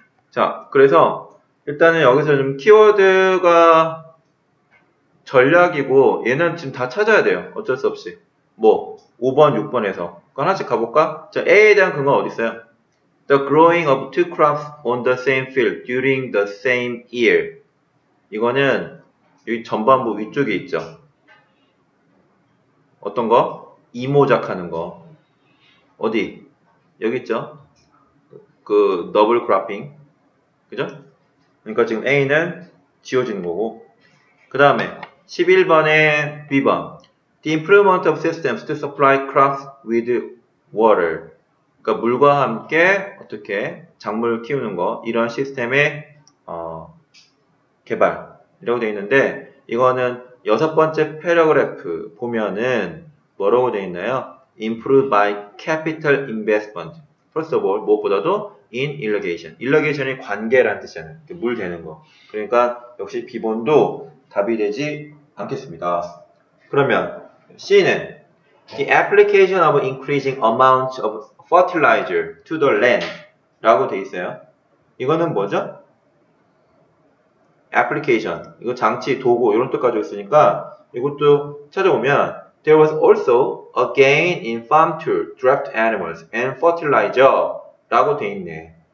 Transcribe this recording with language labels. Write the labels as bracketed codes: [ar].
[ko] 자, 그래서 일단은 여기서 좀 키워드가 전략이고, 얘는 지금 다 찾아야 돼요. 어쩔 수 없이. 뭐, 5번, 6번에서. 그럼 하나씩 가볼까? 자, A에 대한 근거가 어디 있어요? [en] The growing of two crops on the same field during the same year. [ko] 이거는 여기 전반부 위쪽에 있죠. 어떤 거? 이모작하는 거. 어디? 여기 있죠. 그 더블 크로핑. 그죠? 그러니까 지금 A는 지워지는 거고. 그 다음에 11번에 B번. [en] The improvement of systems to supply crops with water. [ko] 그러니까 물과 함께 어떻게 작물을 키우는 거, 이런 시스템의 개발이라고 되어 있는데, 이거는 여섯 번째 패러그래프 보면은 뭐라고 되어 있나요? [en] Improved by capital investment. First of all, [ko] 무엇보다도 [en] in irrigation. [ko] Irrigation이 관계란 뜻이잖아요. 물 대는 거. 그러니까 역시 B번도 답이 되지 않겠습니다. 그러면 C는 [en] The application of increasing amount of fertilizer to the land라고 [ko] 돼 있어요. 이거는 뭐죠? Application. 이거 장치, 도구 이런 뜻 가지고 있으니까 이것도 찾아보면 [en] There was also a gain in farm tool, draft animals, and fertilizer라고 [ko] 돼 있네.